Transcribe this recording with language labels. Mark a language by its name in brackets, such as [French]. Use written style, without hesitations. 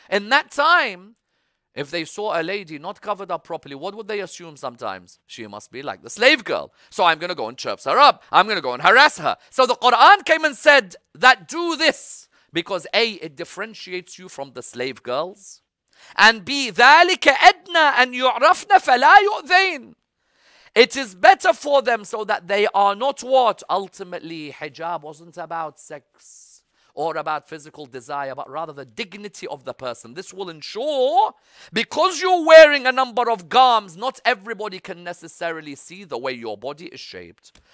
[English] In that time, if they saw a lady not covered up properly, what would they assume sometimes? She must be like the slave girl. So I'm going to go and chirp her up. I'm going to go and harass her. So the Quran came and said that do this because A, it differentiates you from the slave girls. And B, [Arabic] ذَلِكَ أَدْنَى أَنْ يُعْرَفْنَ فَلَا يُؤْذَيْنَ. [English] It is better for them so that they are not what? Ultimately, hijab wasn't about sex or about physical desire, but rather the dignity of the person. This will ensure, because you're wearing a number of garments, not everybody can necessarily see the way your body is shaped.